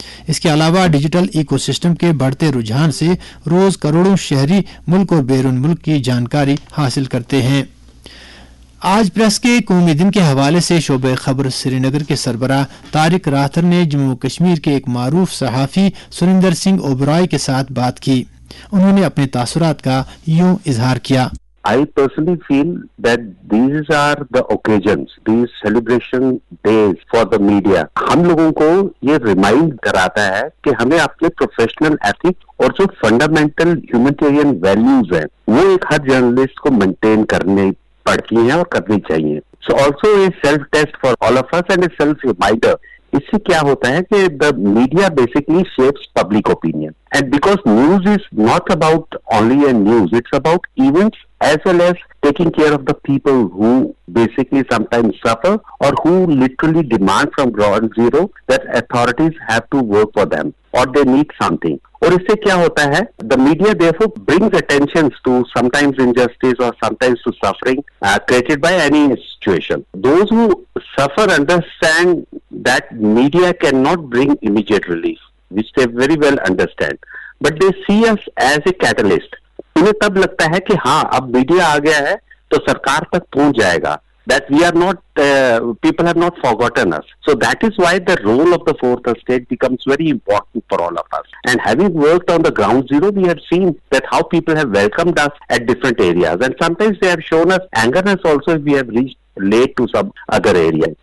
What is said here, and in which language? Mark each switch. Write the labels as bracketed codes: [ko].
[ur] اس کے علاوہ digital eco system کے بڑھتے رجحان سے روز کروڑوں شہری ملک اور بیرون ملک کی جانکاری حاصل کرتے ہیں. آج پریس کے قومی دن کے حوالے سے شعبہ خبر سری نگر کے سربراہ طارق راتھر نے جموں کشمیر کے ایک معروف صحافی سرندر سنگھ اوبرائے کے ساتھ بات کی. انہوں نے اپنے تاثرات کا یوں اظہار کیا. [en] I personally feel that these are the occasions, these celebration days for the media. [ur] ہم لوگوں کو یہ ریمائنڈ کراتا ہے کہ ہمیں اپنے پروفیشنل ایتھک اور جو فنڈامینٹل ہیومنٹیرین ویلوز ہیں وہ ایک ہر جرنلسٹ کو مینٹین کرنے پڑتی ہیں اور کرنی چاہیے. [en] So also a self test for all of us and a self reminder. [ur] اس سے کیا ہوتا ہے کہ [en] The media basically shapes public opinion and because news is not about only a news it's about events as well as taking care of the people who basically some time suffer اور who literally demand from ground zero that authorities have to work for them اور they need something. [ur] اور اس سے کیا ہوتا ہے [en] The media therefore brings attention to sometimes injustice اور sometimes to suffering created by any situation. Those who suffer understand that media can not bring immediate relief which they very well understand but they see us as a catalyst. [ur] انہیں تب لگتا ہے کہ ہاں اب media آ گیا ہے تو سرکار تک پہنچ جائے گا. [en] That we are not, people have not forgotten us. So that is why the role of the fourth estate becomes very important for all of us. And having worked on the ground zero, we have seen that how people have welcomed us at different areas. And sometimes they have shown us angerness also if we have reached late to some other area.